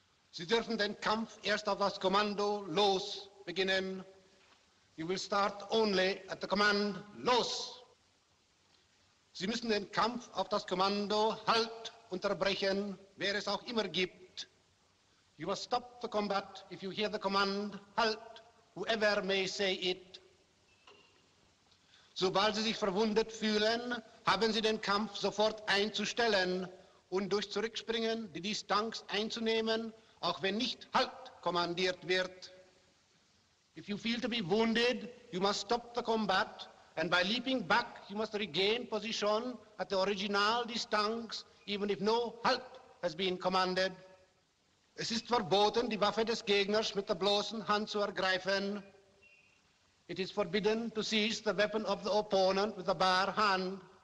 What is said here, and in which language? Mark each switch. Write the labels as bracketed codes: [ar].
[de] Sie dürfen den Kampf erst auf das Kommando los beginnen. [en] You will start only at the command los. [de] Sie müssen den Kampf auf das Kommando halt unterbrechen, wer es auch immer gibt. [en] You must stop the combat if you hear the command halt, whoever may say it. [de] Sobald Sie sich verwundet fühlen, haben Sie den Kampf sofort einzustellen und durch Zurückspringen die Distanz einzunehmen, auch wenn nicht halt kommandiert wird. [en] If you feel to be wounded, you must stop the combat, and by leaping back, you must regain position at the original distance, even if no halt has been commanded. [de] Es ist verboten, die Waffe des Gegners mit der bloßen Hand zu ergreifen. [en] It is forbidden to seize the weapon of the opponent with the bare hand.